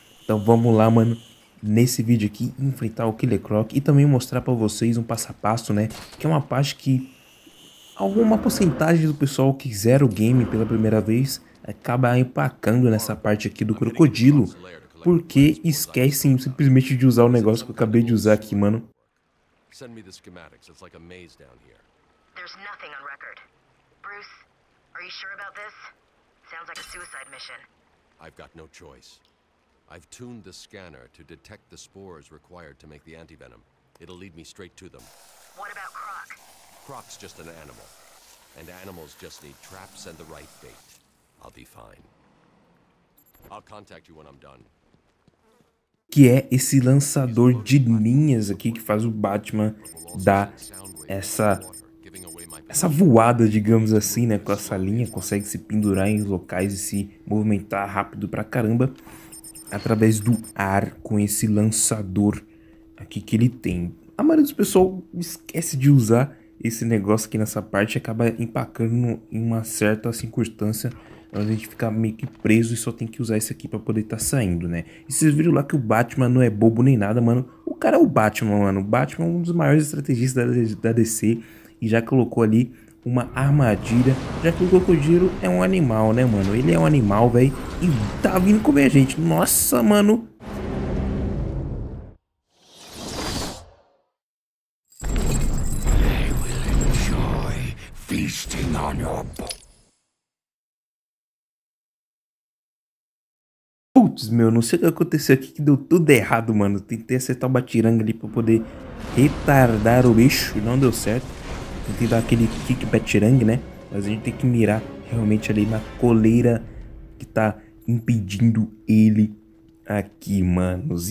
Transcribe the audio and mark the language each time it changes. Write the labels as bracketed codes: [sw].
[pt] Então vamos lá, mano, nesse vídeo aqui, enfrentar o Killer Croc e também mostrar pra vocês um passo a passo, né? Que é uma parte que alguma porcentagem do pessoal que zera o game pela primeira vez acaba empacando nessa parte aqui do crocodilo. Porque esquecem simplesmente de usar o negócio que eu acabei de usar aqui, mano. [en] Send me the schematics, it's like a maze down here. There's nothing on record. Bruce, are you sure about this? Sounds like a suicide mission. I've got no choice. I've tuned the scanner to detect the spores required to make the antivenom. It'll lead me straight to them. What about Croc? Croc's just an animal. And animals just need traps and the right bait. I'll be fine. I'll contact you when I'm done. [pt] Que é esse lançador de linhas aqui que faz o Batman dar essa voada, digamos assim, né? Com essa linha, consegue se pendurar em locais e se movimentar rápido pra caramba através do ar com esse lançador aqui que ele tem. A maioria dos pessoal esquece de usar esse negócio aqui nessa parte e acaba empacando em uma certa circunstância. Então a gente fica meio que preso e só tem que usar esse aqui pra poder tá saindo, né? E vocês viram lá que o Batman não é bobo nem nada, mano. O cara é o Batman, mano. O Batman é um dos maiores estrategistas da DC. E já colocou ali uma armadilha. Já que o crocodilo é um animal, né, mano? Ele é um animal, velho. E tá vindo comer a gente. Nossa, mano. [en] They will enjoy feasting on your body. [pt] Putz, meu, não sei o que aconteceu aqui que deu tudo errado, mano. Tentei acertar o batiranga ali pra poder retardar o bicho e não deu certo. Tentei dar aquele kick batiranga, né? Mas a gente tem que mirar realmente ali na coleira que tá impedindo ele aqui, manos.